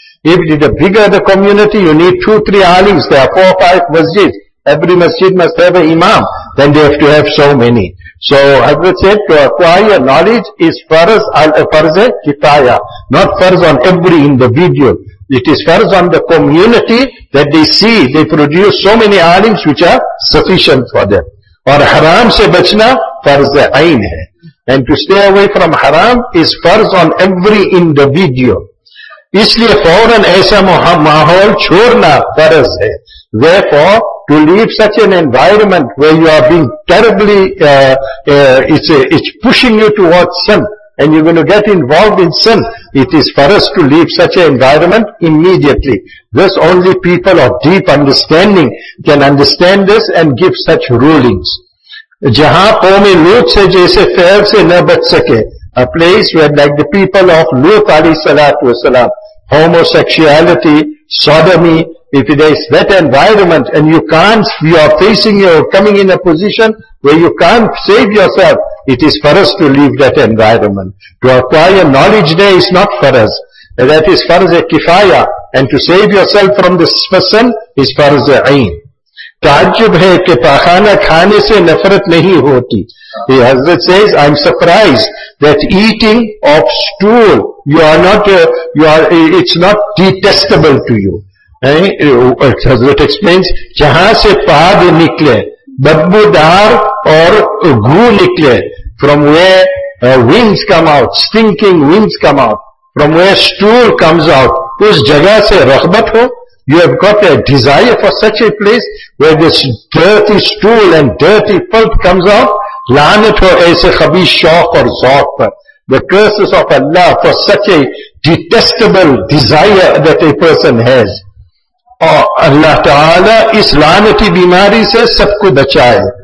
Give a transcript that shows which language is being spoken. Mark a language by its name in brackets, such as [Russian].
[English] If the bigger the community, you need 2-3 alims, there are 4-5 masjids, every masjid must have an imam, then they have to have so many. So, Hazrat said, to acquire knowledge is farz al-farze kitaya, not farz on every individual. It is farz on the community that they see, they produce so many alims which are sufficient for them. [Urdu] اور حرام سے بچنا فرض عین ہے. [English] And to stay away from حرام is فرض on every individual. [Urdu] اس لئے فوراً ایسا ماحول چھوڑنا فرض ہے. [English] Therefore, to leave such an environment where you are being terribly, it's pushing you towards sin, and you're going to get involved in sin, it is فرض to leave such an environment immediately. This only people of deep understanding can understand this and give such rulings. [Urdu] جہاں قوم لوط سے جیسے فیل سے نہ بچ سکے. [English] A place where like the people of Lut alayhi salatu wasalam, homosexuality, sodomy, If there is that environment and you can't, you are facing, you are coming in a position where you can't save yourself, it is for us to leave that environment. To acquire knowledge there is not for us. That is for the kifaya. And to save yourself from this person is for the ayn. [Urdu] تعجب ہے کہ پاخانہ کھانے سے نفرت نہیں ہوتی. [English] The Hazrat says, I'm surprised that eating of stool, it's not detestable to you. Hazrat explains, [Urdu] جہاں سے پاد نکلے, بدبودار اور گھو نکلے, [English] from where winds come out, stinking winds come out, from where stool comes out, [Urdu] اس جگہ سے رغبت ہو. [English] You have got a desire for such a place where this dirty stool and dirty filth comes out. [Urdu] لعنت ہو ایسے خبیث شوق اور ذوق پر. [English] The curses of Allah for such a detestable desire that a person has. [Urdu] اور اللہ تعالی اس لعنتی بیماری سے سب کو بچائے.